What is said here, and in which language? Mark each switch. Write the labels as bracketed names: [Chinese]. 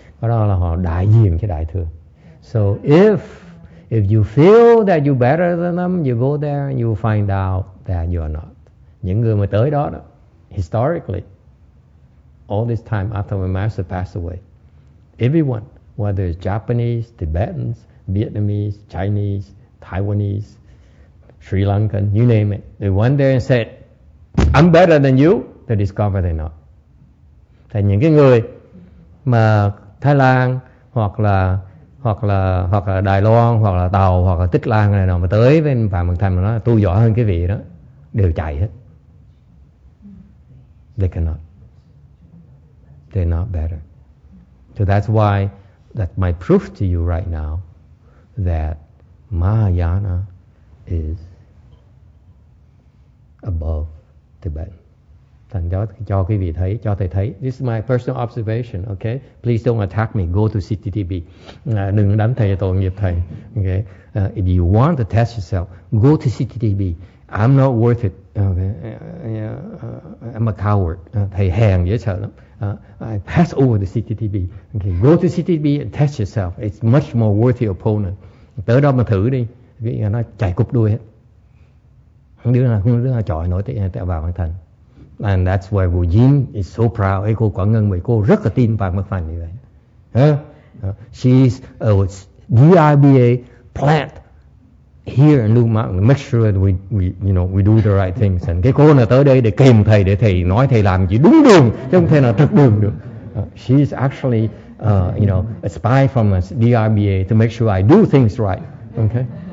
[Vietnamese] Đó là họ đại diện cho đại thừa. [English] So if you feel that you're better than them, you go there and you find out that you are not. [Vietnamese] Những người mà tới đó, [English] historically, all this time after my master passed away, everyone, whether it's Japanese, Tibetans, Vietnamese, Chinese, Taiwanese, Sri Lankan, you name it, they went there and said, I'm better than you, they discover they're not. [Vietnamese] Thì những cái người mà Thái Lan hoặc là Đài Loan hoặc là Tàu hoặc là Tích Lan này nào mà tới với anh Phạm Văn Thành mà nói tôi giỏi hơn cái vị đó, đều chạy hết. [English] They cannot. They're not better. So that's why that's my proof to you right now that Mahayana is above Tibet. [Vietnamese] Thành cho quý vị thấy, cho thầy thấy. [English] This is my personal observation, okay? Please don't attack me. Go to CTTB. [Vietnamese] Đừng đánh thầy, tội nghiệp thầy. [English] Okay? If you want to test yourself, go to CTTB. I'm not worth it. Okay? I'm a coward. [Vietnamese] Thầy hèn dễ sợ lắm. [English] I pass over the CTTB. Okay? Go to CTTB and test yourself. It's much more worthy opponent. [Vietnamese] Tới đó mà thử đi. Nó chạy cục đuôi hết. Đứa nào chọi nổi tới vào hoàn thành. [English] And that's why Wu Jin is so proud. [Vietnamese] Cô Quảng Ngân, cô rất là tin Phạm Bất Phàm như vậy. [English] She's a DRBA plant here in Lu Ma. Make sure that we do the right things. [Vietnamese] And cái cô này tới đây để kèm thầy, để thầy nói thầy làm chỉ đúng đường, chứ không thể nào trật đường được. [English] She's actually, a spy from a DRBA to make sure I do things right. Okay.